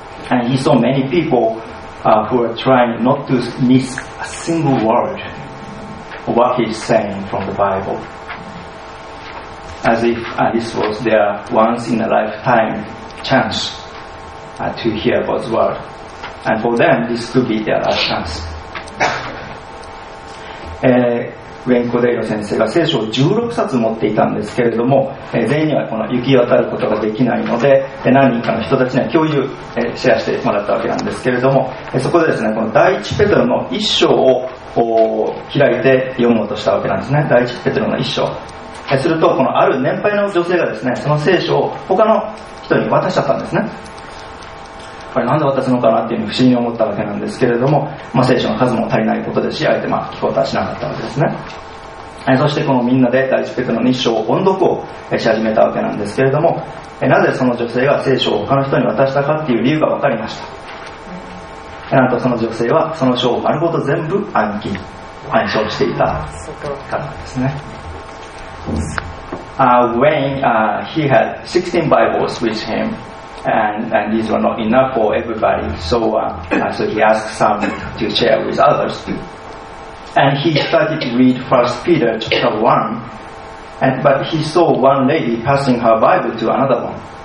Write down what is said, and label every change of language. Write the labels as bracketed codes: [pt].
[en] And he saw many people who were trying not to miss a single word of what he's saying from the Bible, as if this was their once-in-a-lifetime chance to hear God's word. And for them, this could be their last chance. [ja] ウェン・コデイロ先生が聖書を16冊持っていたんですけれども、全員にはこの行き渡ることができないので、何人かの人たちには共有、シェアしてもらったわけなんですけれども、そこでですね、この第一ペトロの一章を開いて読もうとしたわけなんですね。第一ペトロの一章、するとこのある年配の女性がですね、その聖書を他の人に渡しちゃったんですね。これなんで渡すのかなっていうのを不思議に思ったわけなんですけれども、まあ、聖書の数も足りないことですし、あえてまあ聞こうとはしなかったわけですね。そしてこのみんなで第一ペテロの一章を音読をし始めたわけなんですけれども、なぜその女性が聖書を他の人に渡したかっていう理由が分かりました。なんとその女性はその章を丸ごと全部暗記暗唱していたからですね。 [en] Wayne, he had 16 Bibles with himand these were not enough for everybody, so he asked some to share with others. And he started to read 1 Peter chapter 1, but he saw one lady passing her Bible to another one.